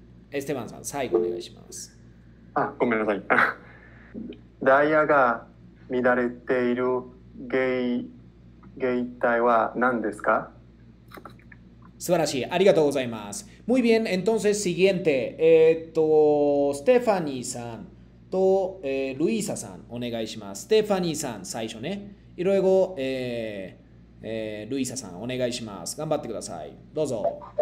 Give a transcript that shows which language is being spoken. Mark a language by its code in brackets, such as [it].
[ja] Esteban さん、最後お願いします。あ、ごめんなさい。ダイヤが乱れている原因体は何ですか？素晴らしい。ありがとうございます。 [es] Muy bien, entonces siguiente. [ja] Stephanie さんと、Luisa さん、お願いします。 Stephanie さん、最初ね。 [es] y luego, [ja] Luisa さん、お願いします。頑張ってください。どうぞ。